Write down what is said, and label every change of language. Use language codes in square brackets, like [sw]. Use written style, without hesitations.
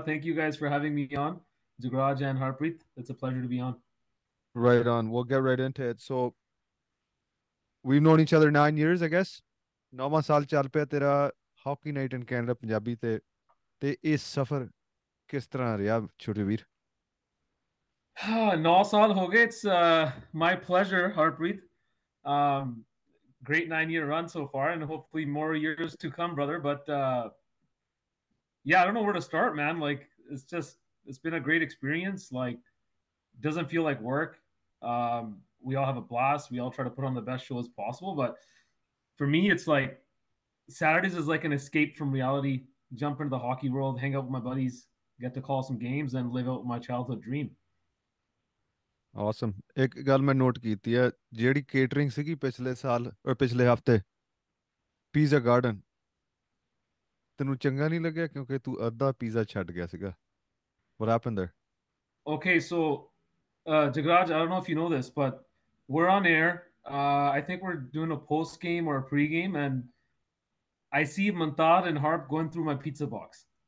[en] Thank you guys for having me on Jagraj and Harpreet, it's a pleasure to be on. Right on, we will get right into it. So we known each other 9 years I guess, [pa] 9ਵਾਂ ਸਾਲ ਚੱਲ ਪਿਆ ਤੇਰਾ hockey night in Canada Punjabi ਤੇ ਇਹ ਸਫ਼ਰ ਕਿਸ ਤਰ੍ਹਾਂ ਰਿਹਾ ਛੋਟੇ ਵੀਰ? [en] Nine [pa] saal ho gaye, [en] it's my pleasure Harpreet. Great 9-year run so far and hopefully more years to come, brother. But yeah, I don't know where to start, man. Like, it's been a great experience. Like, doesn't feel like work. We all have a blast, we all try to put on the best show as possible, but for me it's like Saturdays is like an escape from reality. Jump into the hockey world, hang out with my buddies, get to call some games and live out my childhood dream. Awesome. [pa] ਇੱਕ ਗੱਲ ਮੈਂ note ਕੀਤੀ ਹੈ, ਜਿਹੜੀ catering ਸੀਗੀ ਪਿਛਲੇ ਹਫ਼ਤੇ pizza garden, ਤੈਨੂੰ ਚੰਗਾ ਨਹੀਂ ਲੱਗਿਆ ਕਿਉਂਕਿ ਤੂੰ ਅੱਧਾ ਪੀਜ਼ਾ ਛੱਡ ਗਿਆ ਸੀਗਾ। [en] What happened there? Okay, so Jagraj, I don't know if you know this, but we are on air, I think we are doing a post game or a pre game, and I see Mantar and Harp going through my pizza box.